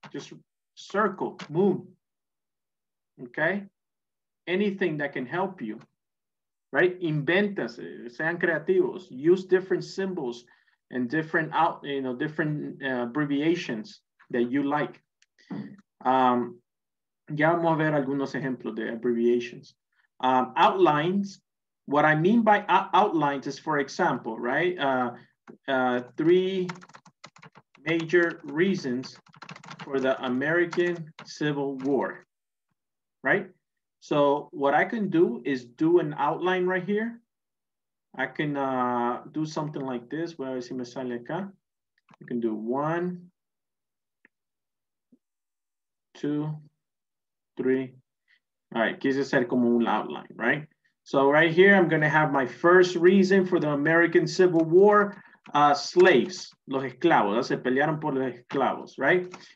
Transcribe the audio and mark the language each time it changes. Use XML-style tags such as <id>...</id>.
<en>Just circle, moon, okay? Anything that can help you, right?</en> <es>Inventas, sean creativos,</es> <en>use different symbols and different out, you know, different abbreviations that you like.</en> <es>Ya vamos a ver algunos ejemplos de abbreviations.</es> <en>Outlines, what I mean by outlines is, for example, right? Three major reasons for the American Civil War, right? So what I can do is do an outline right here. I can do something like this.</en> <es>Voy a ver si me sale acá.</es> <en>You can do 1, 2, 3. All right,</en> <es>quise hacer como un outline, right?</es> <en>So right here, I'm gonna have my first reason for the American Civil War.</en> <es>Slaves, los esclavos, se pelearon por los esclavos, right?</es>